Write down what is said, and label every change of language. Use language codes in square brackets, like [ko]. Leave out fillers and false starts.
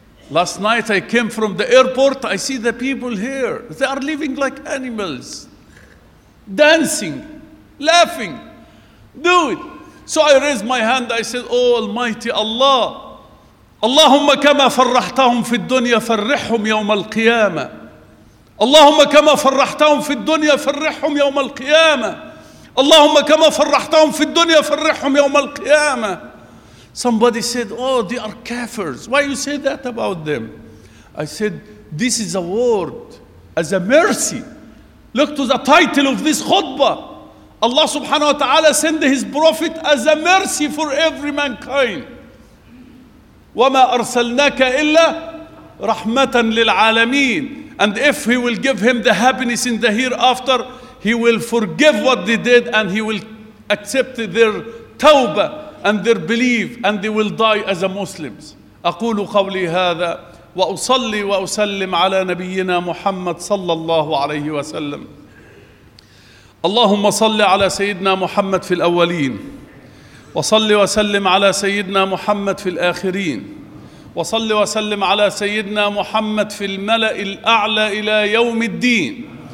[en] Last night I came from the airport, I see the people here. They are living like animals, dancing, laughing, do it. So I raised my hand, I said, oh Almighty Allah, [ar] اللهم كما فرحتهم في الدنيا فرحهم يوم القيامة. اللهم كما فرحتهم في الدنيا فرحهم يوم القيامة. اللهم كما فرحتهم في الدنيا فرحهم يوم القيامة. [en] Somebody said, oh, they are kafirs. Why you say that about them? I said, this is a word as a mercy. Look to the title of this khutbah. Allah subhanahu wa ta'ala sent his prophet as a mercy for every mankind. [ar] وَمَا أَرْسَلْنَاكَ إِلَّا رَحْمَةً لِلْعَالَمِينَ. [en] And if he will give him the happiness in the hereafter, he will forgive what they did and he will accept their tawbah and their belief, and they will die as a Muslims. [ar] أقول قولي هذا وأصلي وأسلم على نبينا محمد صلى الله عليه وسلم. اللهم صل على سيدنا محمد في الأولين, وصلي وسلم على سيدنا محمد في الآخرين, وصلي وسلم على سيدنا محمد في الملأ الأعلى إلى يوم الدين.